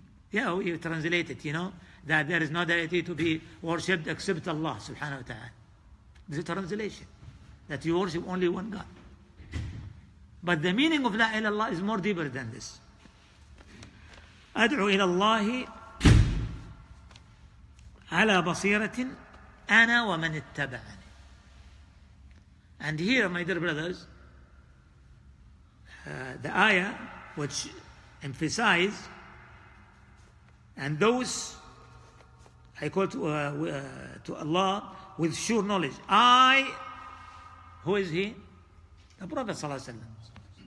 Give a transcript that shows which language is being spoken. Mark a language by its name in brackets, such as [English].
[English] Yeah, we translate it, you know, that there is no deity to be worshipped except Allah subhanahu wa ta'ala. This is a translation, that you worship only one God. But the meaning of La ilaha illallah is more deeper than this. [Arabic] أدعو إلى الله على بصيرة أنا ومن اتبعني. [English] And here, my dear brothers, the ayah which emphasizes And those, I call to Allah with sure knowledge. I, who is he? The Prophet Sallallahu Alaihi Wasallam.